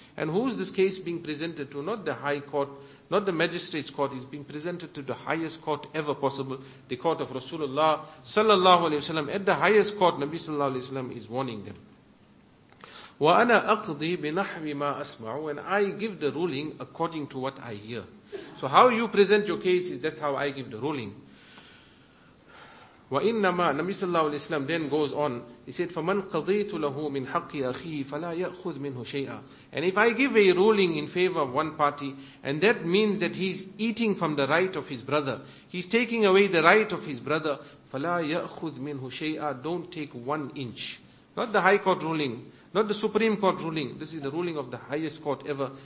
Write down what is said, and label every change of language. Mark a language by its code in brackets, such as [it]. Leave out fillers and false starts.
[en] And who is this case being presented to? Not the high court, not the magistrate's court, is being presented to the highest court ever possible, the court of Rasulullah sallallahu alayhi wa sallam. At the highest court, Nabi sallallahu alayhi wa sallam is warning them. [ar] Wa ana aqdi binahwi ma asma'u, [en] and I give the ruling according to what I hear. So how you present your case is, that's how I give the ruling. [ar] وَإِنَّمَا نَبِي صلى الله عليه وسلم [en] then goes on, he said, [ar] فَمَنْ قَضِيتُ لَهُ مِنْ حَقِّ أَخِيهِ فَلَا يَأْخُذْ مِنْهُ شَيْئًا. [en] And if I give a ruling in favor of one party, and that means that he's eating from the right of his brother, he's taking away the right of his brother, [ar] فَلَا يَأْخُذْ مِنْهُ شَيْئًا, [en] don't take one inch. Not the High Court ruling, not the Supreme Court ruling. This is the ruling of the highest court ever.